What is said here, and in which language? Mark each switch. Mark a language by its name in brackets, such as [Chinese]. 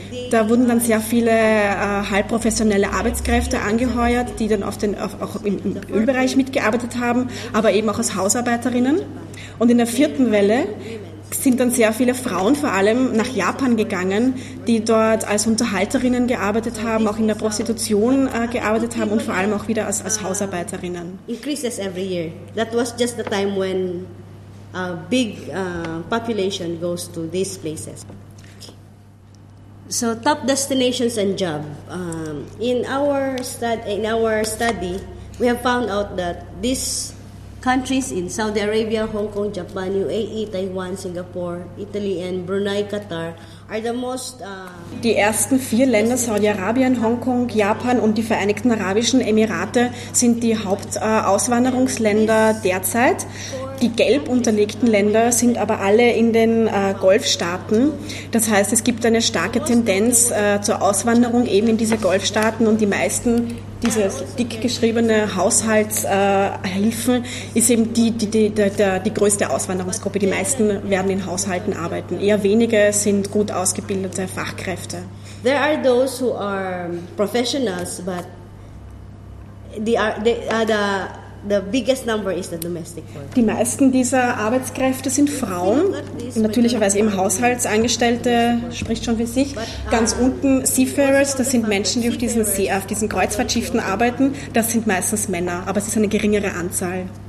[German] Da wurden dann sehr viele halbprofessionelle Arbeitskräfte angeheuert, die dann auch im Ölbereich mitgearbeitet haben, aber eben auch als Hausarbeiterinnen. Und in der vierten Welle sind dann sehr viele Frauen vor allem nach Japan gegangen, die dort als Unterhalterinnen gearbeitet haben, auch in der Prostitution gearbeitet haben und vor allem auch wieder als Hausarbeiterinnen. [English] Increases every year. That was just the time when a big population goes to these places. So top destinations and job. In our study, we have found out that these countries in Saudi Arabia, Hong Kong, Japan, UAE, Taiwan, Singapore, Italy and Brunei, Qatar are the most... [German] Die ersten 4 Länder, Saudi-Arabien, Hongkong, Japan und die Vereinigten Arabischen Emirate, sind die Hauptauswanderungsländer derzeit. Die gelb unterlegten Länder sind aber alle in den Golfstaaten. Das heißt, es gibt eine starke Tendenz zur Auswanderung eben in diese Golfstaaten und die meisten dieser dick geschriebene Haushaltshilfen ist eben die größte Auswanderungsgruppe. Die meisten werden in Haushalten arbeiten. Eher wenige sind gut ausgebildete Fachkräfte. [English] There are those who are professionals, but they are the The biggest number is the domestic workers. [German] Die meisten dieser Arbeitskräfte sind Frauen, natürlicherweise eben Haushaltsangestellte, spricht schon für sich. Ganz unten Seafarers, das sind Menschen, die auf diesen Kreuzfahrtschiffen arbeiten, das sind meistens Männer, aber es ist eine geringere Anzahl.